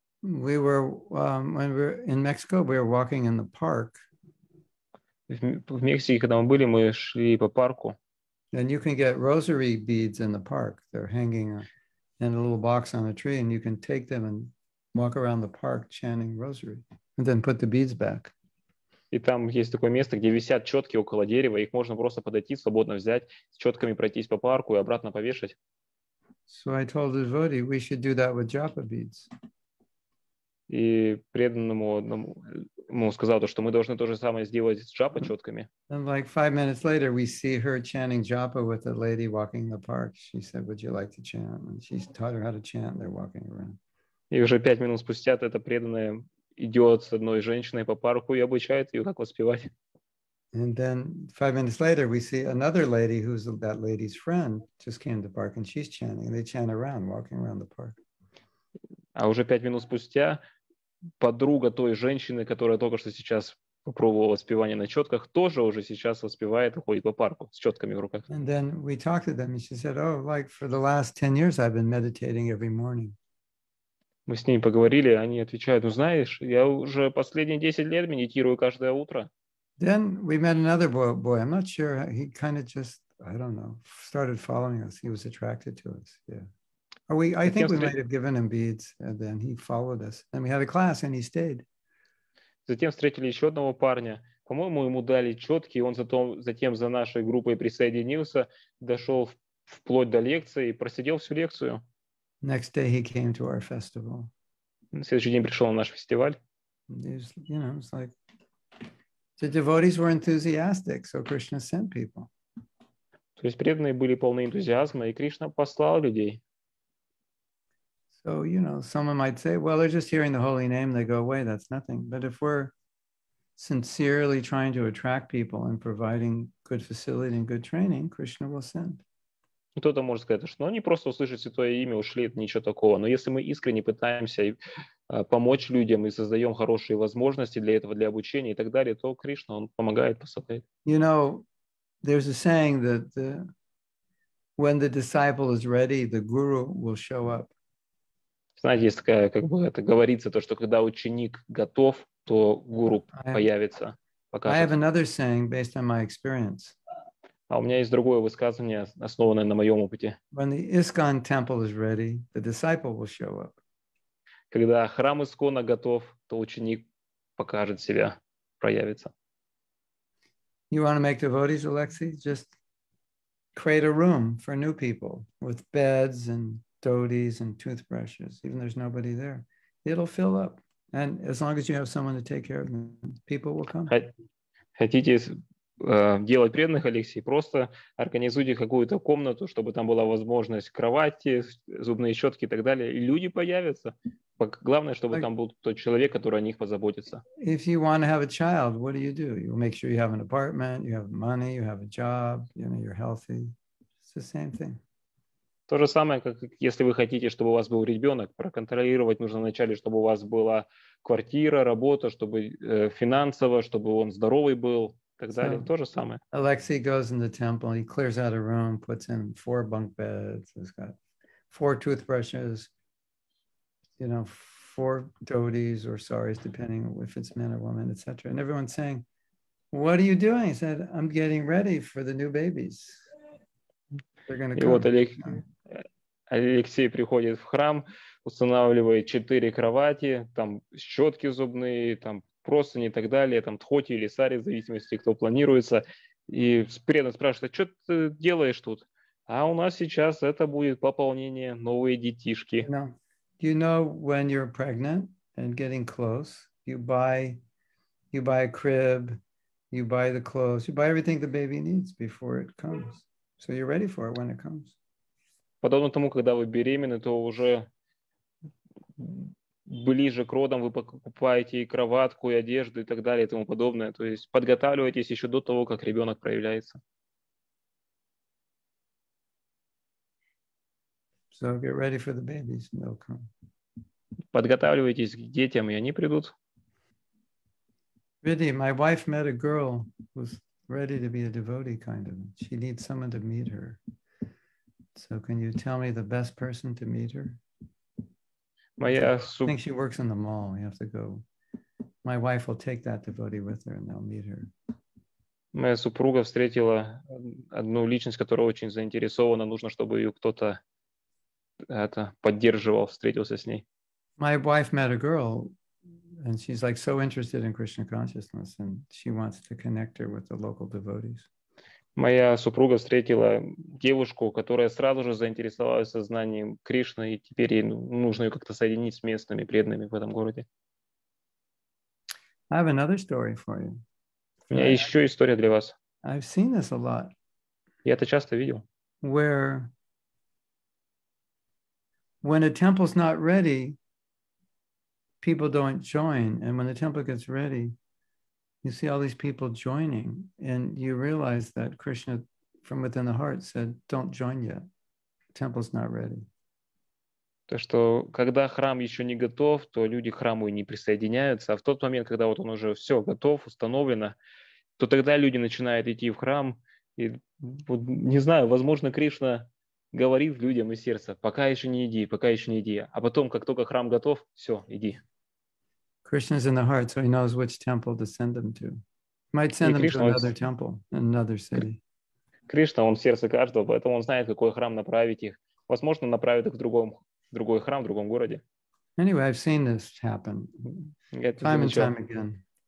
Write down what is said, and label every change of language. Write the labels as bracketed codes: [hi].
[en] We were when we were in Mexico, we were walking in the park. [ru] В Мексике, когда мы были, мы шли по парку. [en] And you can get rosary beads in the park. They're hanging in a little box on a tree, and you can take them and walk around the park chanting rosary, and then put the beads back. [ru] И там есть такое место, где висят четки около дерева, их можно просто подойти, свободно взять, с четками пройтись по парку и обратно повешать. [en] So I told the devotee we should do that with japa beads. [ru] И преданному одному сказал то, что мы должны то же самое сделать с джапа четками. [en] And like 5 minutes later, we see her chanting japa with a lady walking in the park. She said, "Would you like to chant?" And she taught her how to chant. They're walking around. [ru] И уже 5 минут спустя эта преданная идет с одной женщиной по парку и обучает ее, как воспевать. [en] And then 5 minutes later, we see another lady who's that lady's friend just came to the park, and she's chanting. They chant around, walking around the park. [ru] А уже 5 минут спустя подруга той женщины, которая только что сейчас попробовал воспевание на четках, тоже уже сейчас воспевает и ходит по парку с четками в руках. [en] And then we talked to them, and she said, "Oh, like for the last 10 years, I've been meditating every morning." [ru] Мы с ней поговорили, они отвечают: "Ну знаешь, я уже последние 10 лет медитирую каждое утро." [en] Then we met another boy. I'm not sure. He kind of just, I don't know, started following us. He was attracted to us. Yeah. Or we, I think we might have given him beads, and then he followed us. And we had a class, and he stayed. [ru] Затем встретили еще одного парня. По-моему, ему дали четки, и он затем за нашей группой присоединился, дошел вплоть до лекции и просидел всю лекцию. [en] Next day he came to our festival. [ru] На следующий день пришел на наш фестиваль. [en] He's, you know, it's like the devotees were enthusiastic, so Krishna sent people. [ru] То есть преданные были полны энтузиазма, и Кришна послал людей. [en] So, you know, someone might say, well, they're just hearing the holy name, they go away, that's nothing. But if we're sincerely trying to attract people and providing good facility and good training, Krishna will send. [ru] Кто-то может сказать, что они просто услышат святое имя, ушли, это ничего такого. Но если мы искренне пытаемся помочь людям и создаем хорошие возможности для этого, для обучения и так далее, то Кришна, он помогает, посылает. [en] You know, there's a saying that when the disciple is ready, the guru will show up. [ru] Знаете, есть такая, как бы это говорится, то, что когда ученик готов, то гуру появится, покажет. [en] I have another saying based on my experience. [ru] А у меня есть другое высказывание, основанное на моем опыте. [en] When the ISKCON temple is ready, the disciple will show up. [ru] Когда храм ИСКОНа готов, то ученик покажет себя, проявится. [en] You want to make devotees, Alexei? Just create a room for new people with beds and dhotis and toothbrushes. Even there's nobody there, it'll fill up. And as long as you have someone to take care of them, people will come. [ru] Хотите делать преданных, Алексей? Просто организуйте какую-то комнату, чтобы там была возможность кровати, зубные щетки и так далее, и люди появятся. Главное, чтобы там был тот человек, который о них позаботится. [en] If you want to have a child, what do? You make sure you have an apartment, you have money, you have a job, you know, you're healthy. It's the same thing. [ru] То же самое, как если вы хотите, чтобы у вас был ребенок, проконтролировать нужно вначале, чтобы у вас была квартира, работа, чтобы финансово, чтобы он здоровый был, и так далее. То же самое. [en] Alexei goes in the temple, he clears out a room, puts in 4 bunk beds, he's got 4 toothbrushes, you know, 4 dhotis or saris, depending if it's man or woman, etc. And everyone's saying, what are you doing? He said, I'm getting ready for the new babies. [ru] И вот Алексей приходит в храм, устанавливает 4 кровати, там щетки зубные, там простыни и так далее, там тхоти или сари, в зависимости, кто планируется. И преданно спрашивает, а что ты делаешь тут? А у нас сейчас это будет пополнение, новые детишки. [en] You know, when you're pregnant and getting close, you buy a crib, you buy the clothes, you buy everything the baby needs before it comes. So you're ready for it when it comes. [ru] Подобно тому, когда вы беременны, то уже ближе к родам вы покупаете и кроватку, и одежду, и так далее, и тому подобное. То есть подготавливаетесь еще до того, как ребенок проявляется. [en] So get ready for the babies and they'll come. [ru] Подготавливайтесь к детям, и они придут. [en] Really, my wife met a girl who's ready to be a devotee, kind of. She needs someone to meet her. So can you tell me the best person to meet her? I think she works in the mall. We have to go. My wife will take that devotee with her and they'll meet her. [ru] Моя супруга встретила одну личность, которая очень заинтересована. Нужно, чтобы ее кто-то это поддерживал, встретился с ней. [en] My wife met a girl. And she's like so interested in Krishna consciousness, and she wants to connect her with the local devotees. [ru] Моя супруга встретила девушку, которая сразу же заинтересовалась сознанием Кришны, и теперь ей нужно ее как-то соединить с местными преданными в этом городе. [en] I have another story for you. [ru] У меня еще история для вас. [en] I've seen this a lot. [ru] Я это часто видел. [en] Where, when a temple's not ready, people don't join, and when the temple gets ready, you see all these people joining, and you realize that Krishna, from within the heart, said, "Don't join yet. The temple's not ready." [ru] То, что когда храм еще не готов, то люди к храму и не присоединяются. А в тот момент, когда вот он уже все готов, установлено, то тогда люди начинают идти в храм. И вот, не знаю, возможно, Кришна говорит людям из сердца, пока еще не иди, пока еще не иди. А потом, как только храм готов, все, иди. [en] Krishna's in the heart, so he knows which temple to send them to. Might send them to another temple, another city. [ru] Кришна, он в сердце каждого, поэтому он знает, какой храм направить их. Возможно, направит их в другой храм, в другом городе. [en] Anyway, I've seen this happen time and time again.